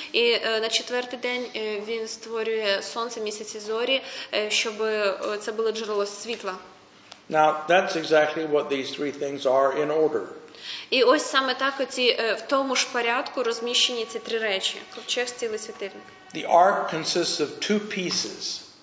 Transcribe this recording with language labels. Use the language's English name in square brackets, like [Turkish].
[Ukrainian] І на четвертий день він створює сонце, місяці, зорі, щоб це було джерело світла. [English] Now, that's exactly what these three things are in order. [Ukrainian] І ось саме так оці в тому ж порядку розміщені ці три речі. Ковчег, стіл і світильник. [English] The ark consists of two pieces.